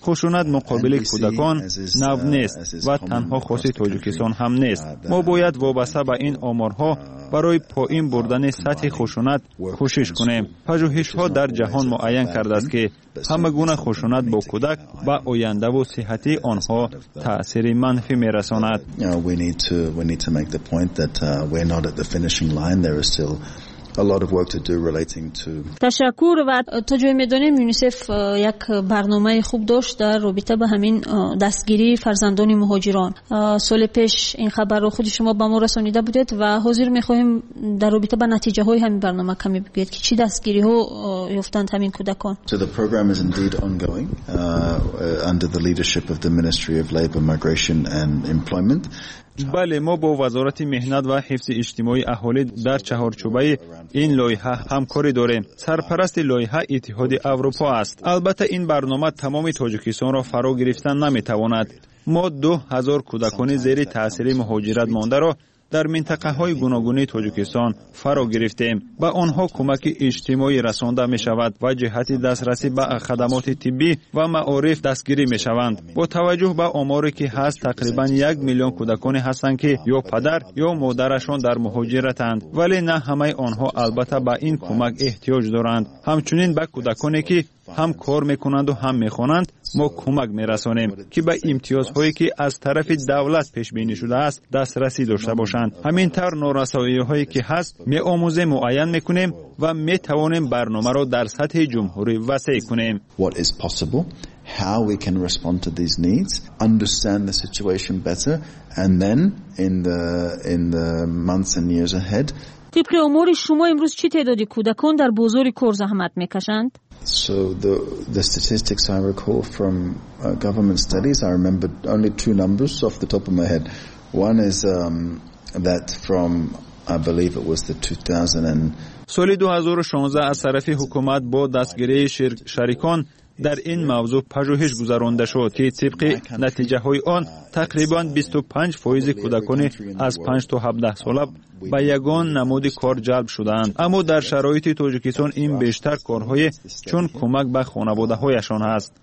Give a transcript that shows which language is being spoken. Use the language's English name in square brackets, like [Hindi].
[Persian] خشونت مقابل کودکان نو نیست و تنها خاص تاجیکستان هم نیست. ما باید وابسته به این آمارها برای پایین بردن سطح خشونت کوشش کنیم. پژوهش‌ها در جهان معین کرده است که همه گونه خشونت با کودک و آینده و صحت آنها تأثیر منفی می‌رساند. [English] We need to make the point that we're not at the finishing line. There is still a lot of work to do relating to. [Persian] تشکر. و تا جایی می‌دونیم یونیسف یک برنامه خوب داشت در رابطه با همین دستگیری فرزندان مهاجران. سال پیش این خبر رو خود شما به ما رسانیده بودید و حاضر می‌خویم در رابطه با نتیجه‌های همین برنامه کمی بگید که چی دستگیری‌ها یافتند همین کودکان. [English] So the program is indeed ongoing under the leadership of the Ministry of Labour, Migration and Employment. [Persian] بله، ما با وزارت مهنت و حفظ اجتماعی اهالی در چهارچوبه این لایحه همکاری داریم. سرپرست لایحه اتحاد اروپا است. البته این برنامه تمام تاجیکستان را فرا گرفتن نمیتواند. ما 2000 کودکان زیر تاثیر مهاجرت مانده را در منطقه های گوناگونی تاجیکستان فرا گرفتیم. به آنها کمک اجتماعی رسانده می شود و جهت دسترسی به خدمات طبی و معارف دستگیری می شوند. با توجه به آماری که هست، تقریبا 1 میلیون کودکان هستند که یا پدر یا مادرشان در مهاجرتند، ولی نه همه آنها البته به این کمک احتیاج دارند. همچنین به کودکانی که هم کار میکنند و هم میخوانند ما کمک میرسانیم که به امتیازهایی که از طرف دولت پیش بینی شده است دسترسی داشته باشند. همین طور نورسایی هایی که هست میآموزیم، معین میکنیم و میتوانیم برنامه را در سطح جمهوری وسیع کنیم. [English] What is possible, how we can respond to these needs, understand the situation better, and then in the months and years ahead. [Persian] طبق امور شما امروز چه تعدادی کودکان در بزرگ کار زحمت میکشند؟ [English] So the statistics I recall from government studies, I remember only two numbers off the top of my head. One is that from, I believe it was the 2000. [Persian] سال 2016 از طرف حکومت با دستگیری شریکان در این موضوع پژوهش گذرانده شد که طبق نتیجه های آن تقریبا 25% کودکان از 5 تا 17 ساله به یگان نمود کار جلب شدند. اما در شرایط تاجیکستان این بیشتر کارهای چون کمک به خانواده هایشان هست.